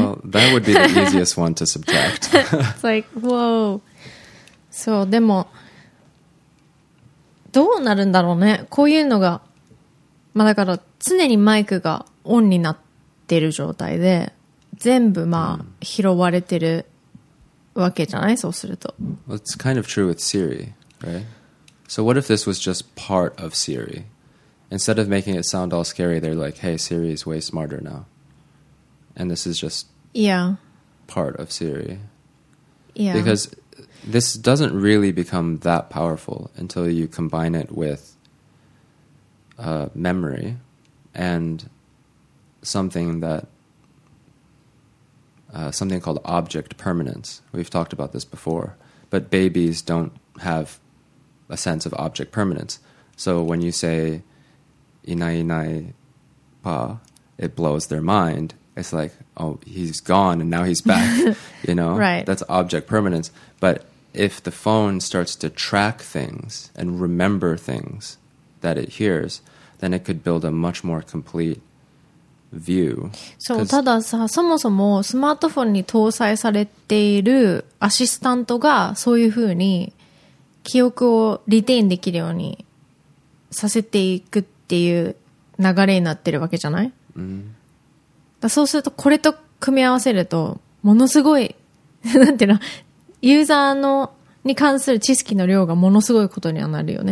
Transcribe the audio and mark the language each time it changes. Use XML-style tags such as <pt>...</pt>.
<en>Well, that would be the easiest one to subtract. It's like, whoa.</en> <ja>そう、でも、どうなるんだろうね。こういうのが、まあだから常にマイクがオンになってる状態で、全部まあ拾われてるわけじゃない、そうすると。</ja> <en>Well, it's kind of true with Siri, right? So what if this was just part of Siri? Instead of making it sound all scary, they're like, hey, Siri is way smarter now. And this is just part of Siri. Yeah. Because this doesn't really become that powerful until you combine it with memory and something called object permanence. We've talked about this before. But babies don't have a sense of object permanence. So when you say,</en> <ja>inai inai pa,</ja> <en>it blows their mind. It's like, oh, he's gone and now he's back, you know? Right. That's object permanence. But if the phone starts to track things and remember things that it hears, then it could build a much more complete view.</en> <ja>そう、たださ、そもそもスマートフォンに搭載されているアシスタントがそういうふうに記憶をリテインできるようにさせていくっていう流れになってるわけじゃない？うん。そうするとこれと組み合わせるとものすごいなんていうのユーザーのに関する知識の量がものすごいことにはなるよね。</ja>